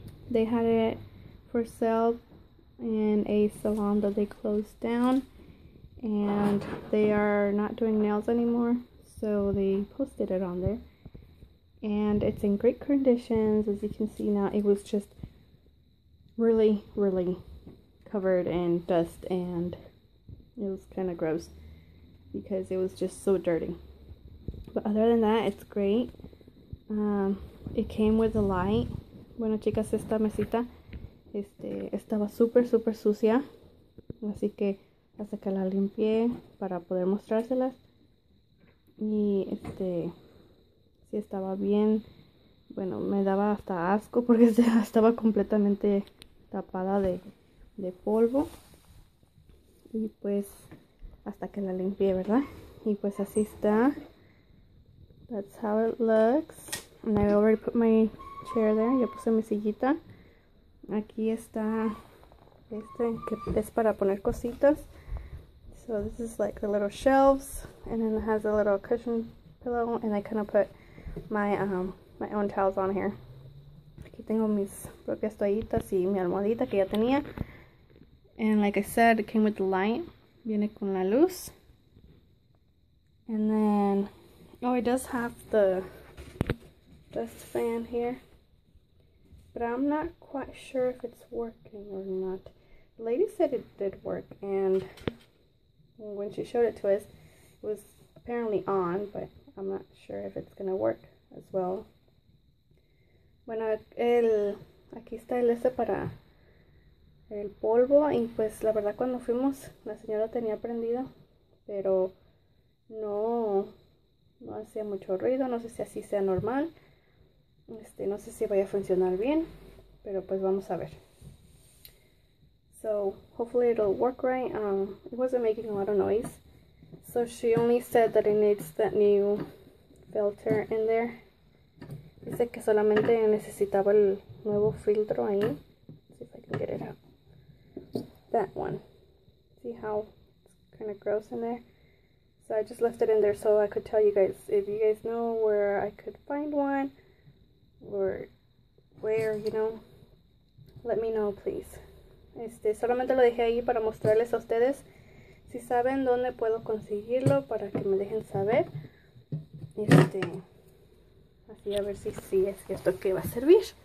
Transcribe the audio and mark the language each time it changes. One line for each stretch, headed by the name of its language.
English: They had it for sale in a salon that they closed down, and they are not doing nails anymore, so they posted it on there, and it's in great conditions. As you can see now, it was just really covered in dust, and it was kind of gross because it was just so dirty, but other than that, it's great. It came with a light.
Spanish: Bueno chicas, esta mesita estaba super sucia, así que hasta que la limpié para poder mostrárselas, y sí estaba bien. Bueno, me daba hasta asco porque estaba completamente tapada de polvo, y pues hasta que la limpié, ¿verdad? Y pues así está.
English: That's how it looks. And I already put my chair there.
Spanish: Ya puse mi sillita. Aquí está que es para poner cositas.
English: So this is like the little shelves, and then it has a little cushion pillow, and I kind of put my own towels on here.
Spanish: Aquí tengo mis propias toallitas y mi almohadita que ya tenía.
English: And like I said, it came with the light.
Spanish: Viene con la luz.
English: And then, oh, it does have the dust fan here, but I'm not quite sure if it's working or not. The lady said it did work, and when she showed it to us, it was apparently on, but I'm not sure if it's gonna work as well.
Spanish: Bueno, aquí está para el polvo, y pues la verdad cuando fuimos la señora tenía prendido, pero no hacía mucho ruido. No sé si así sea normal. No sé si vaya a funcionar bien, pero pues vamos a ver.
English: So, hopefully it'll work right. It wasn't making a lot of noise. So, she only said that it needs that new filter in there.
Spanish: Dice que solamente necesitaba el nuevo filtro ahí.
English: Let's see if I can get it out. That one. See how it's kind of gross in there? So, I just left it in there so I could tell you guys if you guys know where I could find one. Or where, you know, let me know, please.
Spanish: Solamente lo dejé ahí para mostrarles a ustedes. Si saben dónde puedo conseguirlo, para que me dejen saber. Así a ver si es cierto que va a servir.